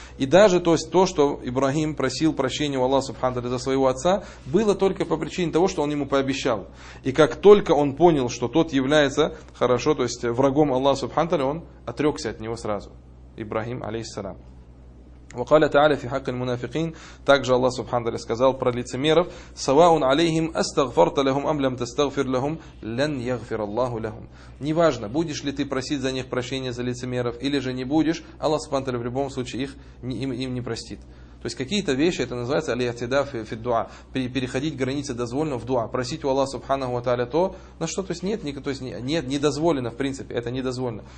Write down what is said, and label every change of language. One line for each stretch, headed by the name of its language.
Russian: И даже то, есть, то, что Ибрахим просил прощения у Аллаха субхана ва тааля за своего отца, было только по причине того, что он ему пообещал. И как только он понял, что тот является... Хорошо, то есть врагом Аллаха субхана ва тааля, он отрекся от него сразу.
Arabic: Ибрахим алейхиссалам. وَقَالَ تَعَالَى فِي حَقِّ الْمُنَافِقِينَ.
Russian: Также Аллах субхана ва тааля сказал про лицемеров: سَوَاءٌ عَلَيْهِمْ أَسْتَغْفَرْتَ لَهُمْ أَمْ لَمْ تَسْتَغْفِرْ لَهُمْ لَنْ يَغْفِرَ اللَّهُ لَهُمْ. Неважно, будешь ли ты просить за них прощения за лицемеров или же не будешь, Аллах субхана ва тааля в любом случае их им не простит. То есть какие-то вещи, это называется алиятида фи дуа, переходить границы дозволенного в дуа, просить у Аллаха субханаху ва тааля то, на что, то есть нет, то есть нет, не дозволено в принципе, это не дозволено.